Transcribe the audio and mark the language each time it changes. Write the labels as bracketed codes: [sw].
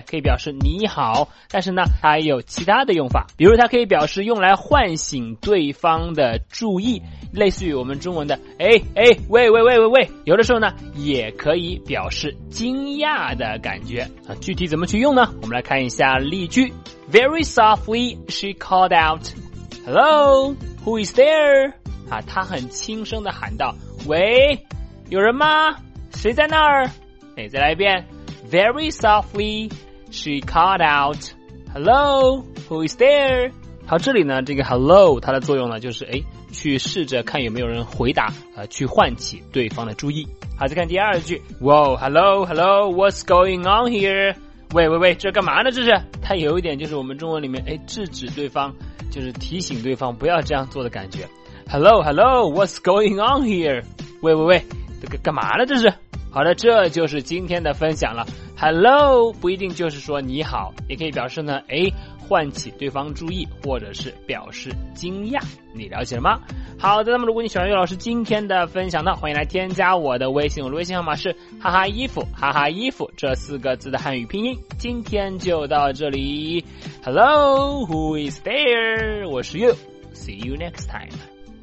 [zh] 可以表示你好，但是呢它还有其他的用法，比如它可以表示用来唤醒对方的注意，类似于我们中文的哎哎喂喂喂喂喂，有的时候呢也可以表示惊讶的感觉。具体怎么去用呢？我们来看一下例句。 [en] Very softly she called out Hello, who is there? [zh] 她很轻声地喊道，喂，有人吗？谁在那儿？哎，再来一遍。 [en] Very softly, she called out, Hello, who is there? [zh] 好，这里呢，这个 Hello, 它的作用呢，就是哎，去试着看有没有人回答，去唤起对方的注意。好，再看第二句。 [en] Whoa, hello, hello, what's going on here? [zh] 喂喂喂，这干嘛呢？这是，它有一点就是我们中文里面，哎，制止对方，就是提醒对方不要这样做的感觉。 [en] Hello, hello, what's going on here? [zh] 喂喂喂。干嘛呢这是？好的，这就是今天的分享了。Hello 不一定就是说你好，也可以表示呢哎，唤起对方注意，或者是表示惊讶。你了解了吗？好的，那么如果你喜欢岳老师今天的分享呢，欢迎来添加我的微信，我的微信号码是哈哈衣服，哈哈衣服这四个字的汉语拼音。今天就到这里。 [en] Hello, who is there? [zh] 我是 [en] you, see you next time.